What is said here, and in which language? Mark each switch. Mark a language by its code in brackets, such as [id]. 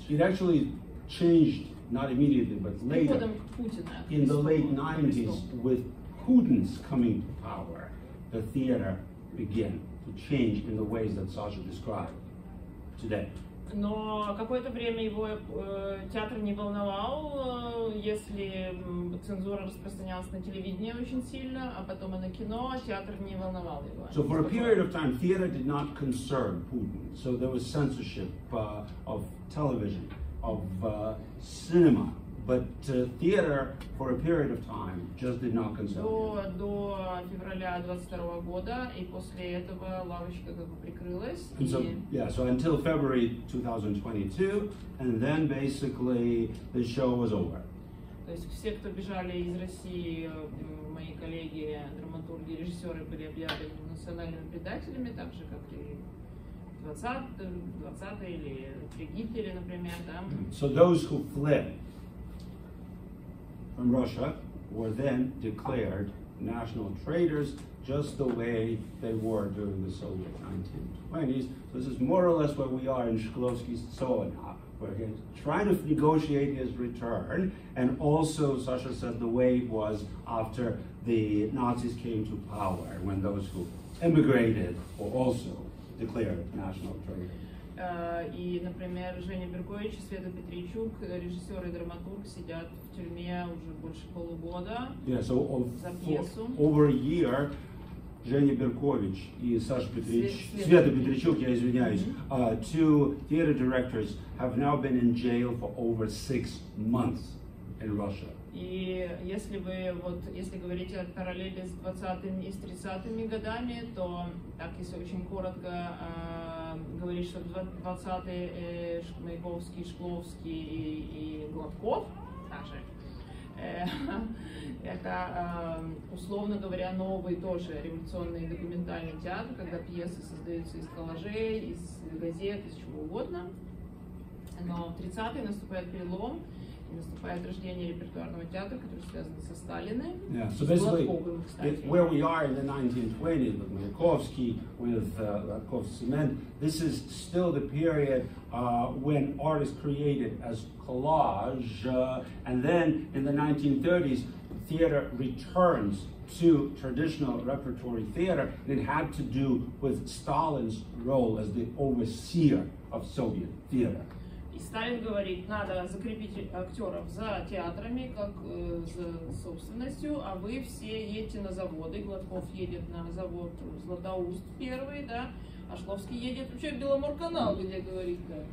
[en] It actually changed, not immediately, but later, in the late 90s, with Putin's coming to power. The theater began to change in the ways that Sasha described today. [ru] Но какое-то время его театр не волновал, если цензура распространялась на телевидение очень сильно, а потом и на кино, театр не волновал его. [en] So for a period of time, theater did not concern Putin. So there was censorship of television, of cinema. But theater, for a period of time, just did not concern. [ru] До февраля 22 года, и после этого лавочка как бы прикрылась. [en] And so, yeah, so until February 2022, and then basically the show was over. [ru] То есть все, кто бежали из России, мои коллеги, драматурги, режиссеры были объявлены национальными предателями, так же как и 20-е или в Египте, например, да. [en] So those who fled from Russia were then declared national traitors, just the way they were during the Soviet 1920s. So this is more or less where we are in Shklovsky's Tsona, where he's trying to negotiate his return. And also, Sasha said, the way it was after the Nazis came to power, when those who emigrated were also declared national traitors. [ru] И, например, Женя Беркович и Света Петричук, режиссер и драматург, сидят в тюрьме уже больше полугода. [en] Yeah, so [ru] за пьесу. [en] Over a year, [ru] Женя Беркович и Саша Петрич... [en] Света Петричук, [ru] я извиняюсь, [en] two theater directors have now been in jail for over 6 months in Russia. [ru] И если вы вот если говорить о параллели с 20-ми и с 30-ми годами, то так если очень коротко говорить, что 20-е Маяковский, Шкловский и Гладков также. Это, условно говоря, новый тоже революционный документальный театр, когда пьесы создаются из коллажей, из газет, из чего угодно. Но в 30-е наступает перелом, и наступает рождение репертуарного театра, который связан со Сталиным. [en] Yeah. So basically, it, where we are in the 1920s with Маяковский, with Гладков's cement, this is still the period when art is created as collage, and then in the 1930s, theater returns to traditional repertory theater, and it had to do with Stalin's role as the overseer of Soviet theater. [ru] И Сталин говорит, надо закрепить актеров за театрами, как за собственностью, а вы все едете на заводы. Гладков едет на завод Златоуст первый, да, а Шкловский едет вообще в Беломорканал, где говорит, да.